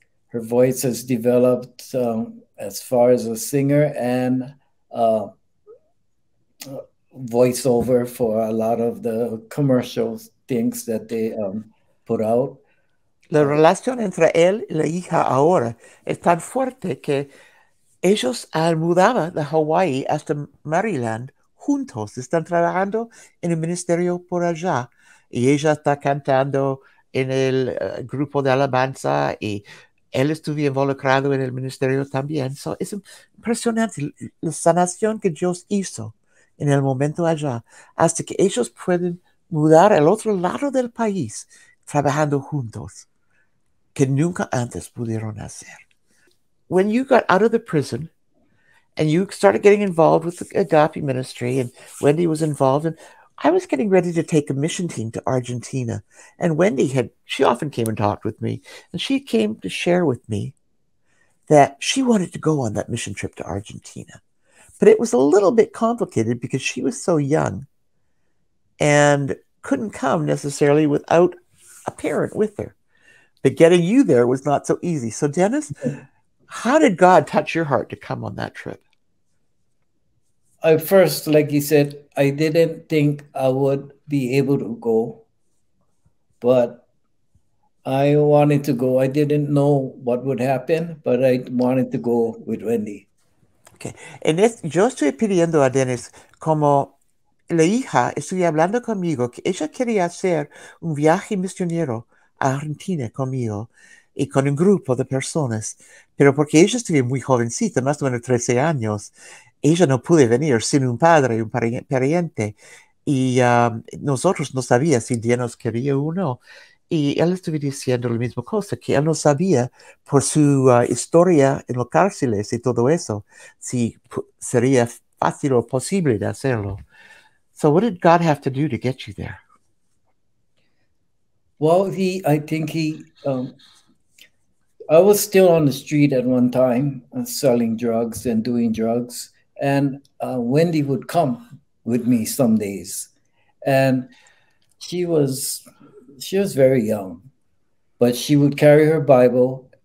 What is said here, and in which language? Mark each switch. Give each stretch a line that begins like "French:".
English: Her voice has developed as far as a singer and voiceover for a lot of the commercial things that they put out.
Spanish: La relación entre él y la hija ahora es tan fuerte que ellos han mudado de Hawaii hasta Maryland juntos. Están trabajando en el ministerio por allá y ella está cantando en el grupo de alabanza y él estuvo involucrado en el ministerio también. So es impresionante la sanación que Dios hizo en el momento allá, hasta que ellos pueden mudar al otro lado del país trabajando juntos, que nunca antes pudieron hacer.
English: When you got out of the prison and you started getting involved with the Agape ministry, and Wendi was involved, and I was getting ready to take a mission team to Argentina, and Wendi she often came and talked with me, and she came to share with me that she wanted to go on that mission trip to Argentina. But it was a little bit complicated because she was so young and couldn't come necessarily without a parent with her. But getting you there was not so easy. So Dennis, how did God touch your heart to come on that trip? At first, like you said, I didn't think I would be able to go, but I wanted to go. I didn't know what would happen, but I wanted to go with Wendi. Okay.
Spanish: Yo estoy pidiendo a Dennis, como la hija estoy hablando conmigo, que ella quería hacer un viaje misionero a Argentina conmigo y con un grupo de personas, pero porque ella estuvo muy jovencita, más o menos 13 años, ella no pudo venir sin un padre, un pariente, y nosotros no sabíamos si Dennis quería o no. Y él estuvo diciendo la misma cosa, que él no sabía por su historia en los cárceles y todo eso, si sería fácil o posible de hacerlo.
English: So what did God have to do to get you there? Well, I was still on the street at one time, selling drugs and doing drugs, and Wendi would come with me some days, and she was very young, but she would carry her Bible